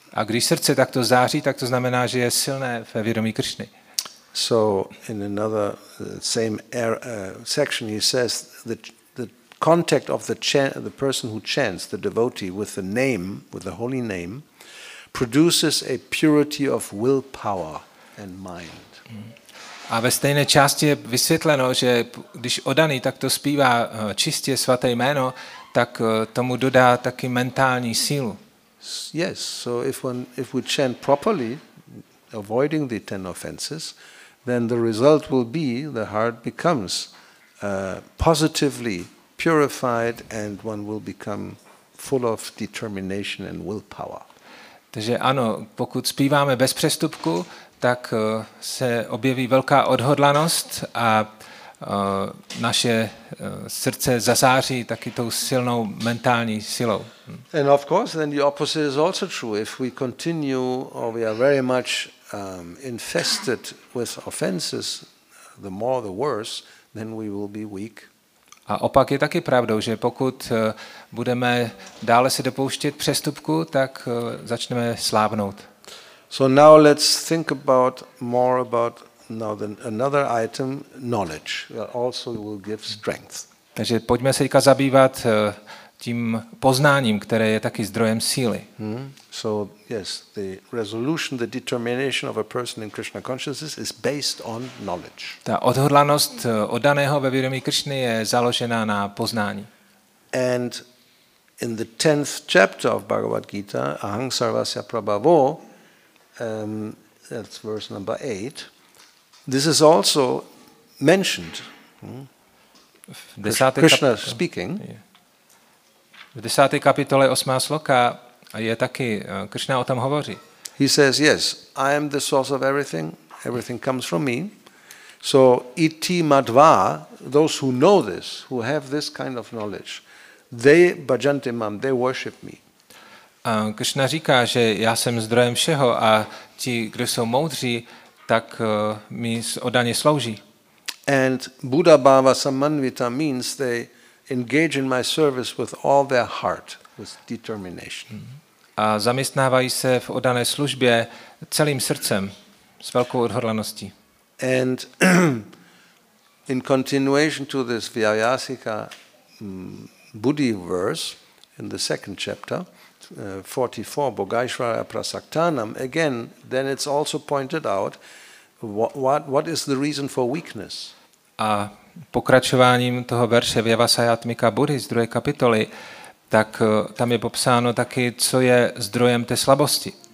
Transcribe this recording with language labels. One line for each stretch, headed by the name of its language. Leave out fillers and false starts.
Czech: A když srdce takto září, tak to znamená, že je silné ve vědomí Krishny.
English: So in another same section he says the contact of the person who chants, the devotee, with the name, with the holy name, produces a purity of willpower and mind.
Czech: A ve stejné části je vysvětleno, že když oddaný takto zpívá čistě svaté jméno, tak tomu dodá taky mentální sílu.
English: Yes, so if we chant properly, avoiding the 10 offenses, then the result will be the heart becomes positively purified and one will become full of determination and willpower.
Czech: Takže ano, pokud zpíváme bez přestupku, tak se objeví velká odhodlanost a naše srdce zazáří taky tou silnou mentální silou.
English: And of course then the opposite is also true. If we continue or we are very much infested with offenses, the more the worse, then we will be weak.
Czech: A opak je taky pravdou, že pokud budeme dále se dopouštět přestupku, tak začneme slábnout.
English: So now let's think about more about now the another item, knowledge, that also will give strength.
Czech: Takže pojďme se teďka zabývat tím poznáním, které je taky zdrojem síly.
English: So yes, the resolution, the determination of a person in Krishna consciousness is based on knowledge.
Czech: Ta odhodlanost oddaného ve vědomí Krishny je založena na poznání.
English: And in the 10th chapter of Bhagavad Gita,
Sanskrit: Aham Sarvasya Prabhavo,
English: that's verse number 8. This is also mentioned. Krishna speaking.
Czech: V 10. kapitole 8. sloka je taky Krishna o tom hovoří.
English: He says, yes, I am the source of everything. Everything comes from me. So
Sanskrit: iti madva,
English: those who know this, who have this kind of knowledge, they
Sanskrit: bhajante mam,
English: they worship me.
Czech: Krishna říká, že já jsem zdrojem všeho a ti, kdo jsou moudří, tak mi oddaně slouží.
English: And
Sanskrit: Buddha bhava samanvita
English: means they engage in my service with all their heart, with determination.
Czech: A zaměstnávají se v oddané službě celým srdcem, s velkou odhodlaností.
English: And in continuation to this Vyayasika Buddhi verse in the second chapter, 44,
Sanskrit: Bogaishvara Prasaktanam,
English: again, then it's also pointed out what is the reason for weakness.
Czech: A pokračováním toho verše Vyavasayatmika Buddhi z druhé kapitoly, tak tam je popsáno taky, co je zdrojem té slabosti.